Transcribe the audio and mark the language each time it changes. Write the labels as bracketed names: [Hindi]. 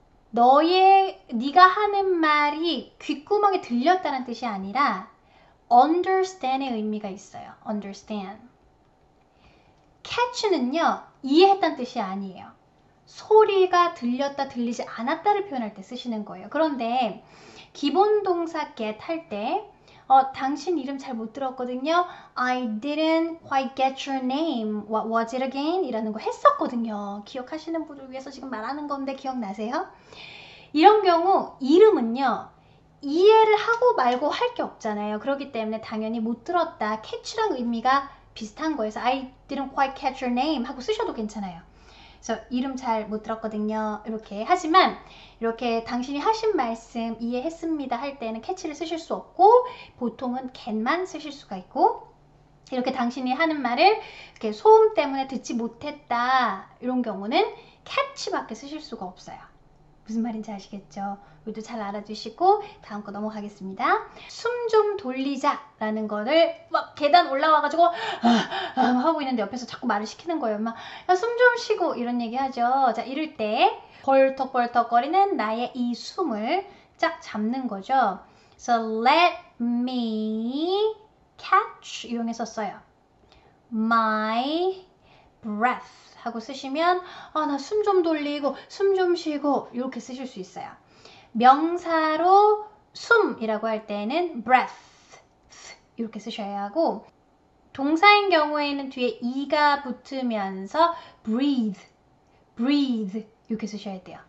[Korean] 네가 하는 말이 귓구멍에 들렸다는 뜻이 아니라 understand의 의미가 있어요. [English] understand. catch는요. [Korean] 이해했다는 뜻이 아니에요. 소리가 들렸다 들리지 않았다를 표현할 때 쓰시는 거예요. 그런데 기본 동사 get 할 때, 당신 이름 잘못 들었거든요. [English] I didn't quite get your name. What was it again? [Korean] 이라는 거 했었거든요. 기억하시는 분을 위해서 지금 말하는 건데 기억나세요? 이런 경우 이름은요. 이해를 하고 말고 할게 없잖아요. 그렇기 때문에 당연히 못 들었다. catch랑 의미가 비슷한 거여서 [English] I didn't quite catch your name [Korean] 하고 쓰셔도 괜찮아요. 그래서 이름 잘못 들었거든요. 이렇게 하지만 이렇게 당신이 하신 말씀 이해했습니다 할 때는 캐치를 쓰실 수 없고 보통은 get만 쓰실 수가 있고 이렇게 당신이 하는 말을 이렇게 소음 때문에 듣지 못했다 이런 경우는 캐치밖에 쓰실 수가 없어요. 무슨 말인지 아시겠죠? 이것도 잘 알아주시고 다음 거 넘어가겠습니다. 숨좀 돌리자라는 거를 막 계단 올라와가지고 하고 있는데 옆에서 자꾸 말을 시키는 거예요. 막숨좀 쉬고 이런 얘기 하죠. 자, 이럴 때 벌떡벌떡거리는 나의 이 숨을 쫙 잡는 거죠. [English] So let me catch [Korean] 이용해서 써요. [English] My breath. [Korean] 하고 쓰시면 아, 나숨좀 돌리고 숨좀 쉬고 이렇게 쓰실 수 있어요. 명사로 숨이라고 할 때는 breath 이렇게 쓰셔야 하고 동사인 경우에는 뒤에 이가 붙으면서 breathe 이렇게 쓰셔야 돼요.